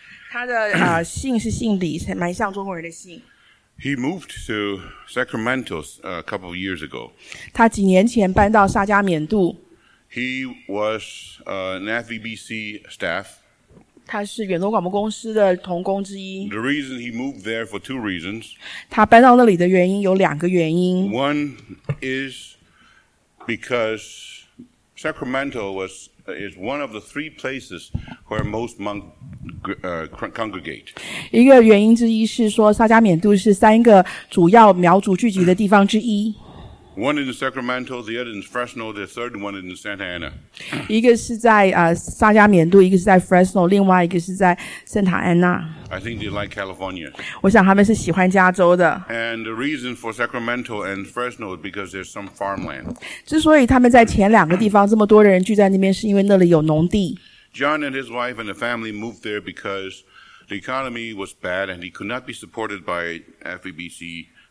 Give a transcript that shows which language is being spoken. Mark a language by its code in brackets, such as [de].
[zh] 他的姓是姓李，蛮像中国人的姓。 [en] He moved to Sacramento a couple of years ago. [zh] 他几年前搬到撒加缅度。 [en] He was an FEBC staff. [zh] 他是远东广播公司的同工之一。 [en] The reason he moved there for two reasons. [zh] 他搬到那里的原因有两个原因。 [en] One is because Sacramento is one of the three places where most monks congregate. [zh] 一个原因之一是说撒加缅度是三个主要苗族聚集的地方之一。 [en] One in Sacramento, the other in Fresno, the third one in Santa Ana. [zh] 一个是在撒加缅度，一个是在 Fresno, 另外一个是在圣塔安娜。 [en] I think they like California. [zh] 我想他们是喜欢加州的。 [en] And the reason for Sacramento and Fresno is because there's some farmland. [zh] 之所以他们在前两个地方这么多的人聚在那边，是因为那里有农地。 [en] John and his wife and the family moved there because the economy was bad and he could not be supported by FEBC.